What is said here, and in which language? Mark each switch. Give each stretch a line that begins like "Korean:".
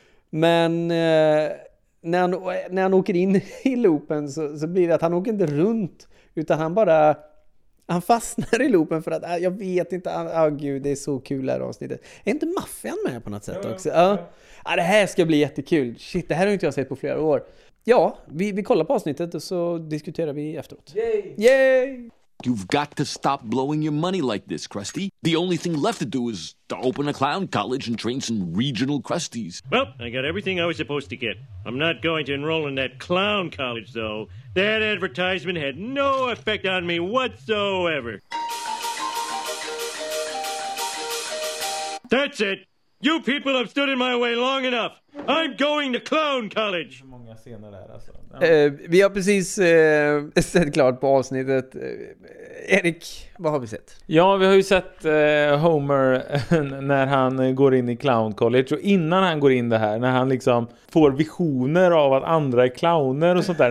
Swedish: Men när han åker in i loopen så blir det att han åker inte runt, utan han fastnar i loopen för att jag vet inte, gud det är så kul här avsnittet. Är inte maffian med på något sätt också? Ja, det här ska bli jättekul. Shit, det här har inte jag sett på flera år. Ja, vi kollar på avsnittet och så diskuterar vi efteråt.
English: Yay! You've got to stop blowing your money like this, Krusty. The only thing left to do is to open a clown college and train some regional Krustys. Well, I got everything I was supposed to get. I'm not going to enroll in that clown college, though. That advertisement had no effect on me whatsoever. That's it. You people have stood in my way long enough. I'm going to clown college.
Swedish: Hur många scener det här, alltså? Vi har precis sett klart på avsnittet. Erik, vad har vi sett? Ja, vi har ju sett Homer när han går in i clown college. Och innan han går in det här, när han liksom får visioner av att andra är clowner och sånt där.